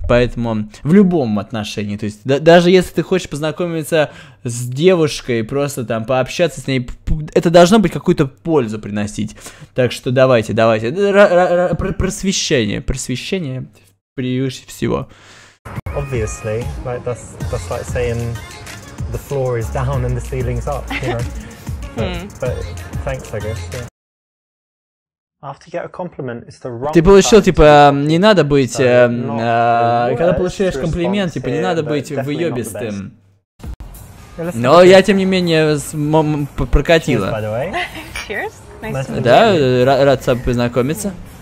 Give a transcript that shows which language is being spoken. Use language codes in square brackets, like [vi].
[ru] Поэтому в любом отношении. То есть даже если ты хочешь познакомиться с девушкой, просто там пообщаться с ней, это должно быть какую-то пользу приносить. Так что давайте. Просвещение превыше всего. [en] Obviously, like that's like saying the floor is down and the ceiling's up, you know. but thanks, I guess. Yeah. [ru] Ты получил, типа, не надо быть, когда получаешь комплимент, типа, не надо быть выёбистым. Но я, тем не менее, прокатила. Да, рад с тобой познакомиться.